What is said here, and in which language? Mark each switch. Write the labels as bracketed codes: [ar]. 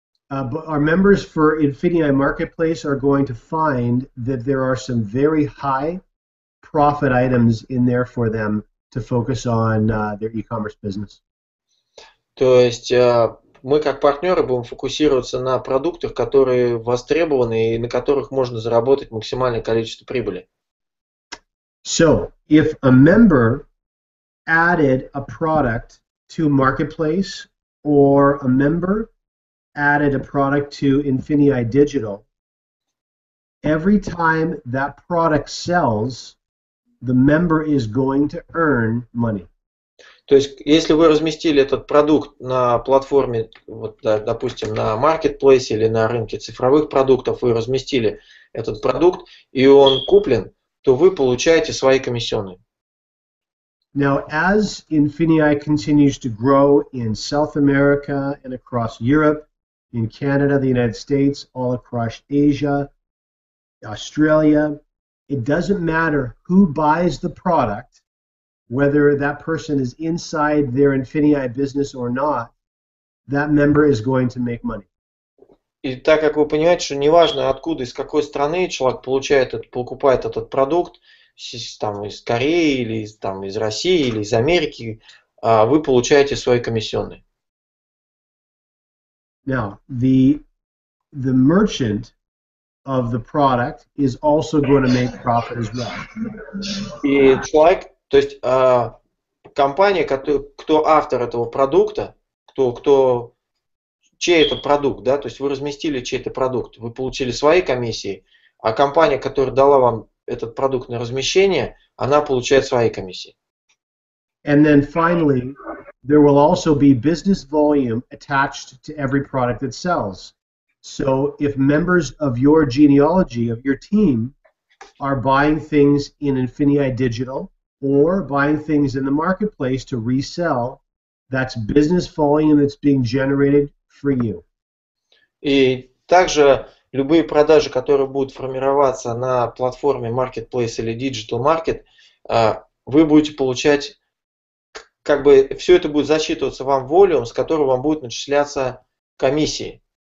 [en] But our members for Infinity Marketplace are going to find that there are some very high profit items in there for them to focus on their e-commerce business. [ru] То есть мы как партнеры будем фокусироваться на продуктах, которые востребованы и на которых можно заработать максимальное количество прибыли. [en] So, if a member added a product to Marketplace or a member added a product to Infinity Digital, every time that product sells, the member is going to earn money. [ru] То есть, если вы разместили этот продукт на платформе, вот, да, допустим, на маркетплейсе или на рынке цифровых продуктов, вы разместили этот продукт, и он куплен, то вы получаете свои комиссионные. [en] Now, as Infinii continues to grow in South America and across Europe, in Canada, the United States, all across Asia, Australia, it doesn't matter who buys the product, whether that person is inside their Infinii business or not, that member is going to make money. [ru] И так как вы понимаете, что неважно откуда, из какой страны человек получает, покупает этот продукт, там из Кореи или там из России или из Америки, вы получаете свои комиссионные. [en] Now, the merchant of the product is also going to make profit as well. [ru] И человек, то есть компания, кто автор этого продукта, чей это продукт, да, то есть вы разместили чей-то продукт, вы получили свои комиссии, а компания, которая дала вам этот продукт на размещение, она получает свои комиссии. [en] And then finally, there will also be business volume attached to every product that sells. So if members of your genealogy, of your team, are buying things in Infinii Digital or buying things in the marketplace to resell, that's business volume that's being generated for you. [ru] И также любые продажи, которые будут формироваться на платформе Marketplace или Digital Market, вы будете получать, как бы все это будет засчитываться вам волюм, с которого вам будет начисляться комиссии.